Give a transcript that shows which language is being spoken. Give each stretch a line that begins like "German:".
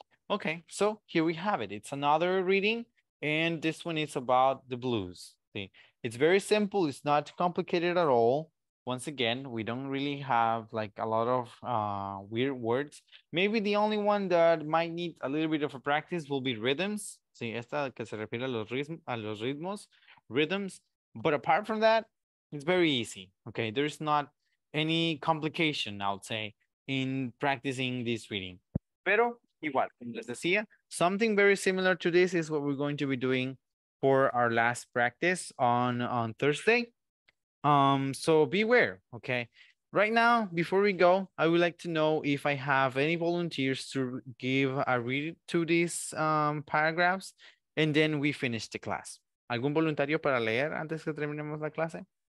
English: Okay, so here we have it. It's another reading. And this one is about the blues. See, it's very simple. It's not complicated at all. Once again, we don't really have like a lot of weird words. Maybe the only one that might need a little bit of a practice will be rhythms. See,
Spanish: esta que se refiere a los ritmos, rhythms.
English: But apart from that, it's very easy. Okay, there's not any complication, I would say, in practicing this reading.
Spanish: Pero igual, como les decía,
English: something very similar to this is what we're going to be doing for our last practice on Thursday. So beware, okay? Right now, before we go, I would like to know if I have any volunteers to give a read to these paragraphs, and then we finish the class.
Spanish: ¿Algún voluntario para leer antes que terminemos la clase?